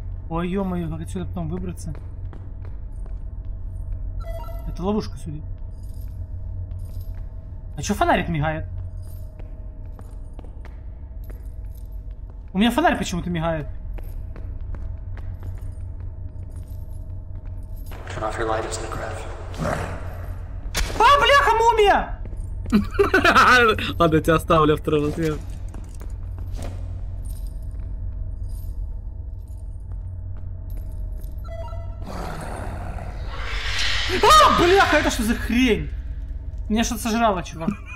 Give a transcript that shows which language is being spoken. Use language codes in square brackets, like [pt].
[ru] Ой, ё-моё, как отсюда потом выбраться? Это ловушка, судя. А чё фонарик мигает? У меня фонарь почему-то мигает. [en] Turn off your light, it's the craft. [ru] А, бляха, мумия! Ладно, я тебя оставлю второй раз. Бляха, это что за хрень? Меня что-то сожрало, чувак.